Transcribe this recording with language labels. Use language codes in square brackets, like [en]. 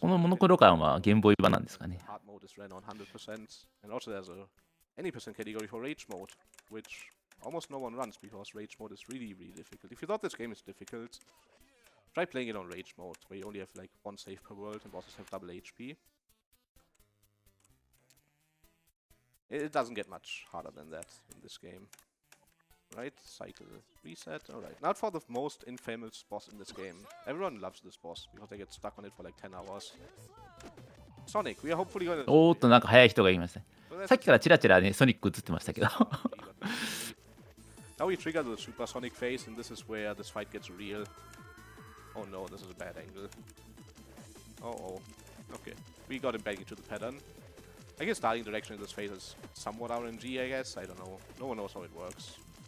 [ja] このモノクロ感はゲームボーイ版なんですかね。 [en] Hard mode is ran on 100%. And also there's a any percent category for rage mode, which almost no one runs because rage mode is really, really difficult. If you thought this game is difficult,Try playing it on rage mode, where you only have like one save per world and bosses have double HP. It doesn't get much harder than that in this game. Right? Cycle reset. Alright. Not for the most infamous boss in this game. Everyone loves this boss because they get stuck on it for like 10 hours. Sonic, we are hopefully going to. [ja] おーっと、なんか早い人がいましたね。さっきからチラチラね、ソニック映ってましたけど。 [en] Now we trigger the supersonic phase, and this is where this fight gets real. Oh no, this is a bad angle. Oh, okay. We got him back into the pattern. I guess starting direction in this phase is somewhat RNG, I guess. I don't know. No one knows how it works.